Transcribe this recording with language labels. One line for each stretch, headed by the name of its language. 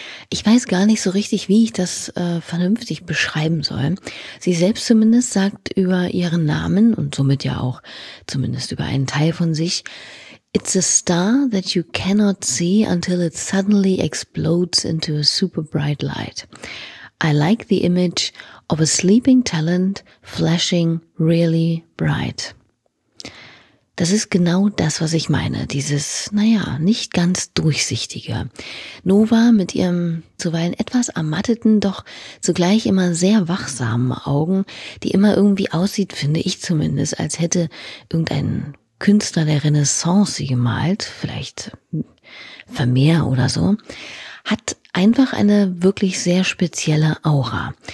German: Ich weiß gar nicht so richtig, wie ich das vernünftig beschreiben soll. Sie selbst zumindest sagt über ihren Namen und somit ja auch zumindest über einen Teil von sich:
English: "It's a star that you cannot see until it suddenly explodes into a super bright light. I like the image of a sleeping talent flashing really bright."
German: Das ist genau das, was ich meine. Dieses, naja, nicht ganz durchsichtige. Nova mit ihrem zuweilen etwas ermatteten, doch zugleich immer sehr wachsamen Augen, die immer irgendwie aussieht, finde ich zumindest, als hätte irgendein Künstler der Renaissance sie gemalt, vielleicht Vermeer oder so, hat einfach eine wirklich sehr spezielle Aura.